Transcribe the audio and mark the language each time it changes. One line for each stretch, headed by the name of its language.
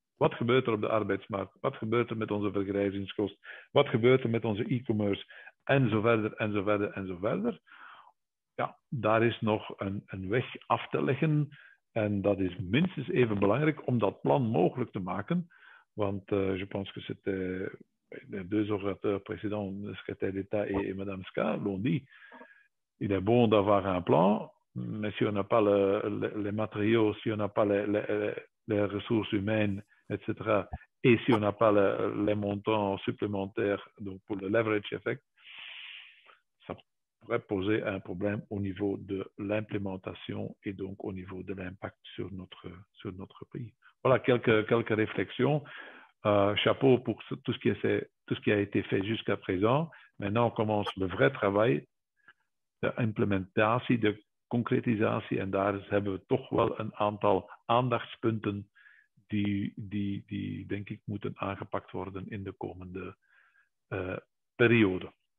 Dutch: Wat gebeurt er op de arbeidsmarkt? Wat gebeurt er met onze vergrijzingskost? Wat gebeurt er met onze e-commerce? En zo verder, en zo verder, en zo verder. Ja, daar is nog een weg af te leggen. En dat is minstens even belangrijk om dat plan mogelijk te maken. Want
French: je pense que c'était les deux orateurs, président, secrétaire d'État et Madame Ska, l'ont dit. Il est bon d'avoir un plan, mais si on n'a pas les matériaux, si on n'a pas les ressources humaines, etc. Et si on n'a pas les montants supplémentaires donc pour le leverage effect, ça pourrait poser un problème au niveau de l'implémentation et donc au niveau de l'impact sur notre pays. Voilà quelques réflexions. Chapeau pour tout ce qui a été fait jusqu'à présent. Maintenant, on commence le vrai travail d'implémentation, de concrétisation. Et
Dutch: daar hebben we toch wel een aantal aandachtspunten die denk ik moeten aangepakt worden in de komende periode.